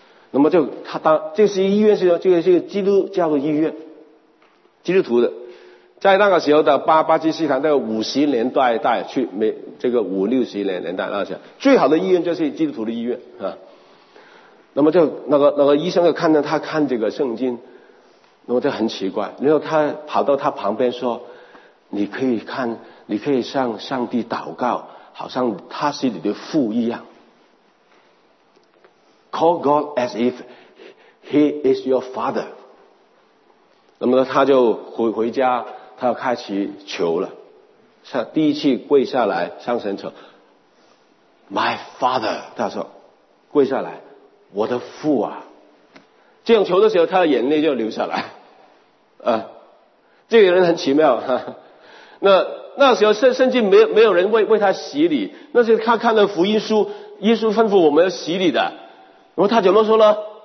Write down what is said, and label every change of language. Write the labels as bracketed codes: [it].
[zh] 那么就他当这是医院，是这个是一个基督教的医院，基督徒的，在那个时候的巴基斯坦在五十年代带去，没这个五六十年代那时候最好的医院就是基督徒的医院啊。那么就那个医生就看到他看这个圣经，那么就很奇怪，然后他跑到他旁边说，你可以向上帝祷告，好像他是你的父一样。 [en] Call God as if He is your father。 [zh] 那么他就回家，他要开始求了，第一次跪下来向神求 [en] My father， [zh] 他说跪下来，我的父啊，这样求的时候他的眼泪就流下来这个人很奇妙那时候甚至没有人 为他洗礼，那时候他看了福音书，耶稣吩咐我们要洗礼的，那么他怎么说呢？